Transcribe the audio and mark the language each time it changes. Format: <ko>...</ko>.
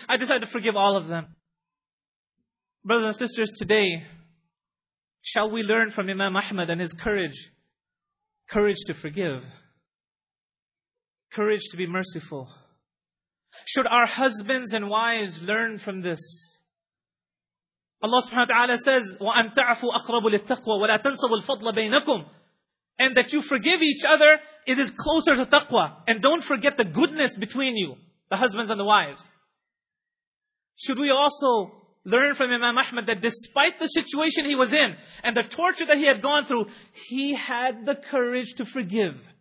<en>I decided to forgive all of them. Brothers and sisters, today, shall we learn from Imam Ahmad and his courage? Courage to forgive. Courage to be merciful. Should our husbands and wives learn from this?</en> <ar>Allah subhanahu wa ta'ala says, وَأَنْ تَعْفُوا أَقْرَبُ لِلتَّقْوَى وَلَا تَنْصَبُوا الْفَضْلَ بَيْنَكُمْ.</ar> <en>And that you forgive each other, it is closer to taqwa. And don't forget the goodness between you, the husbands and the wives. Should we also learn from Imam Ahmad that despite the situation he was in and the torture that he had gone through, he had the courage to forgive.</en>